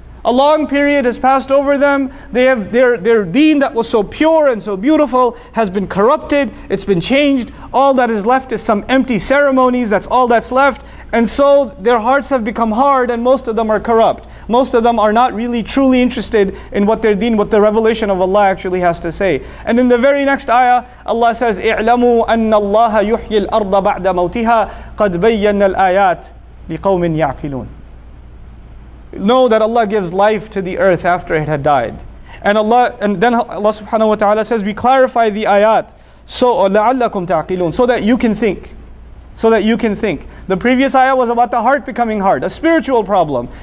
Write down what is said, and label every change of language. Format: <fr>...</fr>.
<en>A long period has passed over them. They have their deen that was so pure and so beautiful has been corrupted. It's been changed. All that is left is some empty ceremonies. That's all that's left. And so their hearts have become hard and most of them are corrupt. Most of them are not really truly interested in what their deen, what the revelation of Allah actually has to say. And in the very next ayah, Allah says,</en> <ar>اِعْلَمُوا أَنَّ اللَّهَ يُحْيِي الْأَرْضَ بَعْدَ مَوْتِهَا قَدْ بَيَّنَّ الْآيَاتِ لِقَوْمٍ يَعْقِلُونَ.</ar> <en>Know that Allah gives life to the earth after it had died. And then Allah subhanahu wa ta'ala says, we clarify the ayat, so</en> <ar>لَعَلَّكُمْ تَعْقِلُونَ,</ar> <en>so that you can think. So that you can think. The previous ayah was about the heart becoming hard, a spiritual problem.</en>